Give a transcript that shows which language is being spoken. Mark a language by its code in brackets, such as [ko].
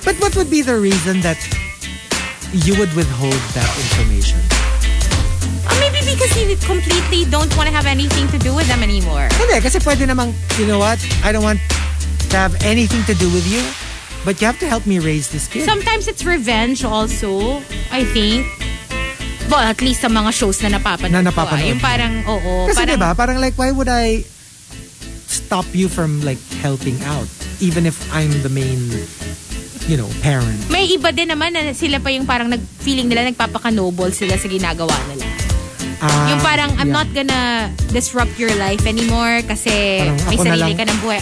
[en] But what would be the reason that you would withhold that information? Maybe because you completely don't want to have anything to do with them anymore. [tl] Hindi, kasi pwede namang, [en] you know what? I don't want to have anything to do with you, but you have to help me raise this kid. Sometimes it's revenge also, I think. Well, at least [tl] sa mga shows na napapanood. Yung parang, oo. Kasi diba, parang [en] like, why would I stop you from like helping out? Even if I'm the main, you know, parent. [tl] May iba din naman na sila pa yung parang feeling nila nagpapakanoble sila sa ginagawa nila. Yung parang, [en] I'm not gonna disrupt your life anymore [tl] kasi may sarili ka ng buhay.